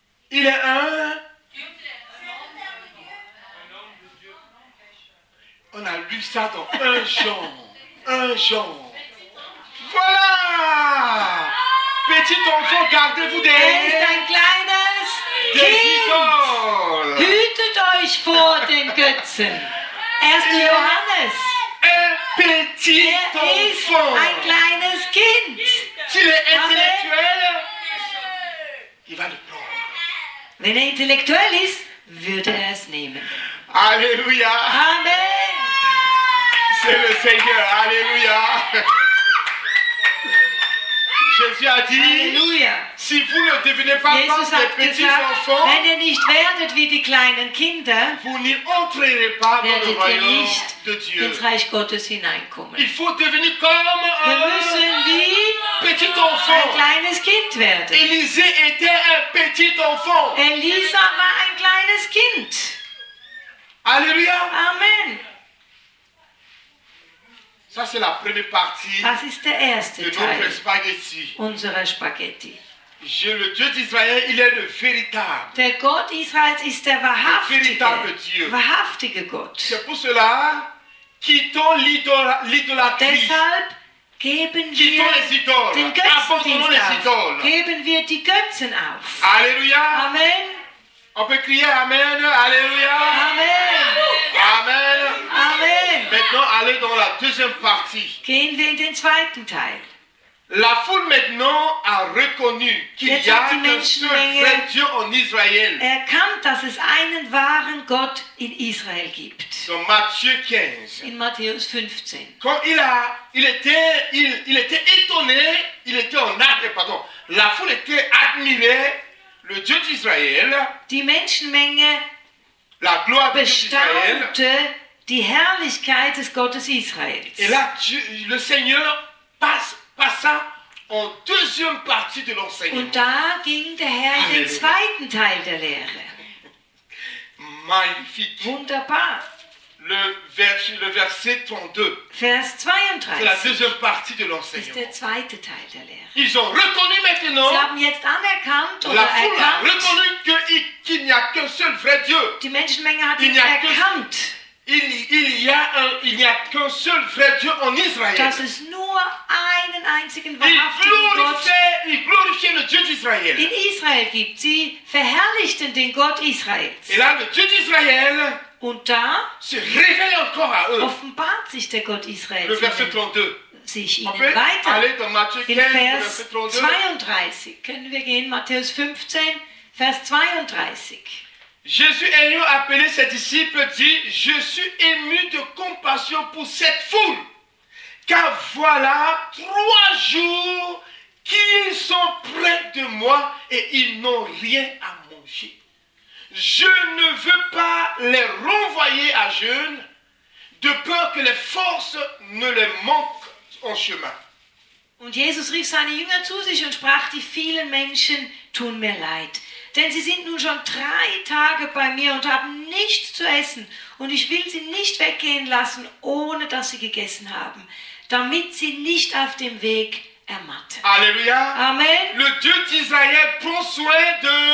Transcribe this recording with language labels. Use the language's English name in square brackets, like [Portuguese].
[French] Il est un. On a lu ça dans 1 Jean. Voilà! Petit enfant, gardez-vous des. [German] Est ein kleines Kind. Hütet euch vor den Götzen. 1. Johannes. [French] Un petit enfant. [German] Est ein kleines Kind. [French] S'il est intellectuel, il va le prendre. [German] Wenn intellektuell ist, würde es nehmen. [French] Alléluia. Amen. C'est le Seigneur, alléluia. Jésus a dit, alléluia. Si vous ne devenez pas comme des petits enfants, [German] wenn ihr nicht werdet wie die kleinen Kinder, [French] vous n'y entrerez pas dans le royaume de Dieu. [German] Ins Reich Gottes hineinkommen. [French] Il faut devenir comme [German] ein kleines Kind werden. [French] Élisée était un petit enfant. [German] Elisa war ein kleines Kind. [French] Alléluia. Amen. Ça, c'est la première partie [German] das ist der erste [French] de notre spaghetti. [German] Unsere Spaghetti. [French] J'ai le Dieu d'Israël, il est le véritable. [German] Der Gott Israels ist der wahrhaftige, [French] le véritable Dieu. [German] Wahrhaftige Gott. [French] C'est pour cela, quittons l'idolâtrie. [German] Deshalb geben [French] quittons les idoles. [German] Den Götzen [French] les idoles. [German] Geben wir die Götzen auf. [French] Alléluia. Amen. On peut crier Amen. Alléluia. Amen. Amen. Amen. Maintenant, allez dans la deuxième partie. [German] Gehen wir in den zweiten Teil. [French] La foule maintenant a reconnu qu'il y a un vrai Dieu en Israël. [German] Erkannt, dass es einen wahren Gott in Israel gibt. [French] Dans Matthieu 15. [German] In Matthäus 15. [French] Quand il était étonné, il était en arme, pardon. La foule était admirée, le Dieu d'Israël. [German] Die Menschenmenge [French] la gloire de Israël, [German] die Herrlichkeit des Gottes Israels. [French] Et là, le Seigneur passa en deuxième partie de l'enseignement. [German] Und da ging der Herr in den zweiten Teil der Lehre. [French] Magnifique. [German] Wunderbar. [French] Le verset 32. [German] Vers 32. [French] C'est la deuxième partie de l'enseignement. [German] Ist der zweite Teil der Lehre. [French] Ils ont reconnu maintenant. [German] Sie haben jetzt anerkannt oder erkannt. [French] La foule a reconnu qu'il n'y a qu'un seul vrai Dieu. [German] Die Menschenmenge hat ihn erkannt. [French] Il n'y a qu'un seul vrai Dieu en Israël. [German] Dass es nur einen einzigen wahrhaftigen Gott. [French] Il glorifie le Dieu d'Israël. [German] In Israel gibt sie verherrlichten den Gott Israels. [French] Et là, le Dieu d'Israël. [German] Und da [French] se révèle encore à eux. [German] Offenbart sich der Gott Israels. [French] Le verset 32. [German] Sich ihnen weiter. [French] Allez, dans Matthieu 15, [German] in Vers 32 können wir gehen. Matthäus 15, Vers 32. [French] Jésus ayant appelé ses disciples dit: Je suis ému de compassion pour cette foule, car voilà trois jours qu'ils sont près de moi et ils n'ont rien à manger. Je ne veux pas les renvoyer à jeûne, de peur que les forces ne les manquent en chemin. [German] Und Jesus rief seine Jünger zu sich und sprach: Die vielen Menschen tun mir leid. Denn sie sind nun schon drei Tage bei mir und haben nichts zu essen. Und ich will sie nicht weggehen lassen, ohne dass sie gegessen haben, damit sie nicht auf dem Weg ermatten. Alleluia. Amen. [French] Le Dieu d'Israël prend soin de